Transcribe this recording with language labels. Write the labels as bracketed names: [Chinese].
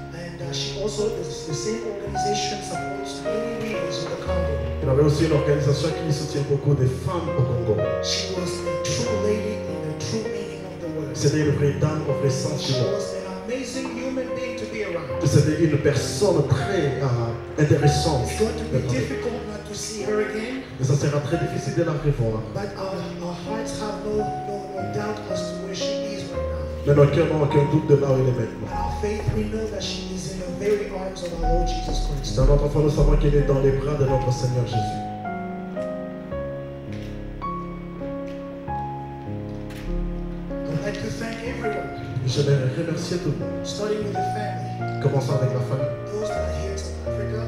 [English] And she also is the same organization supports many beings in the Congo. [French] Elle avait aussi une organisation qui soutient beaucoup de femmes au Congo. [English] She was a true lady in the true meaning of the word. [French] C'était une vraie dame au vrai sens. [English] She was an amazing human being to be around. [French] C'était une personne très intéressante. [English] It's going to be difficult not to see her again. [French] Mais ça sera très difficile de la revoir. [English] But our hearts have no doubt as to where she is right now. [French] Mais nos cœurs n'ont aucun doute de là où elle est maintenant. [English] Our faith, we know that she is in the very arms of our Lord Jesus Christ. [French] Dans notre foi, nous savons qu'elle est dans les bras de notre Seigneur Jésus. [English] I'd like to thank everyone. [French] Je vais remercier tout le monde. [English] Starting with the family. [French] Commençons avec la famille. [English] Those that are here from Africa.